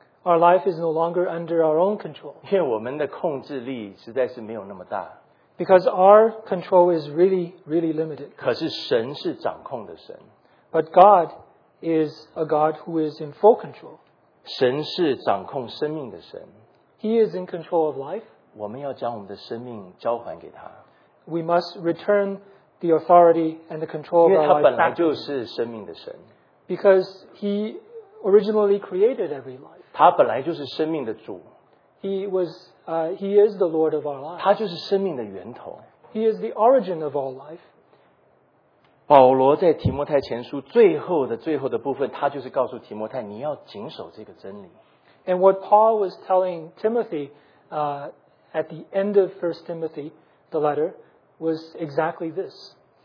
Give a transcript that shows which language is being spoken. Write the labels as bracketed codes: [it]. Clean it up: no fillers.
[en] Our life is no longer under our own control. [zh] 因为我们的控制力实在是没有那么大。 [en] Because our control is really, really limited. [zh] 可是神是掌控的神。 [en] But God is a God who is in full control. [zh] 神是掌控生命的神。 [en] He is in control of life. [zh] 我们要将我们的生命交还给他。 [en] We must return the authority and the control of our life. [zh] 因为他本来就是生命的神。 [en] Because he originally created every life. [zh] 他本来就是生命的主。 [en] He is the Lord of our life. [zh] 他就是生命的源头。 [en] He is the origin of all life. [zh] 保罗在提摩太前书最后的部分, 他就是告诉提摩太, 你要谨守这个真理。 [en] And what Paul was telling Timothy at the end of 1 Timothy, the letter, was exactly this.